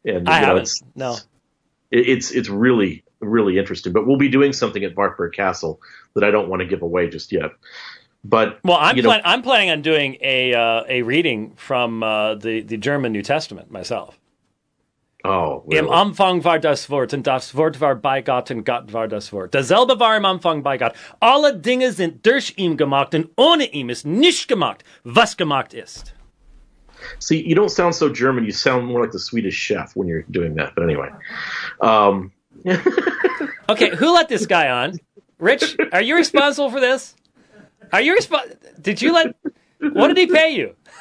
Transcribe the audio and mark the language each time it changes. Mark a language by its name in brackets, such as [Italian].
[English] And, it's really, really interesting. But we'll be doing something at Wartburg Castle that I don't want to give away just yet. But I'm planning on doing a reading from the German New Testament myself. Oh, really? [German] Im Anfang war das Wort, und das Wort war bei Gott, und Gott war das Wort. Dasselbe war im Anfang bei Gott. Alle Dinge sind durch ihn gemacht, und ohne ihn ist nicht gemacht, was gemacht ist. [English] See, you don't sound so German. You sound more like the Swedish chef when you're doing that. But anyway. Okay, who let this guy on? Rich, are you responsible for this? Are you responsible? Did you let... What did he pay you?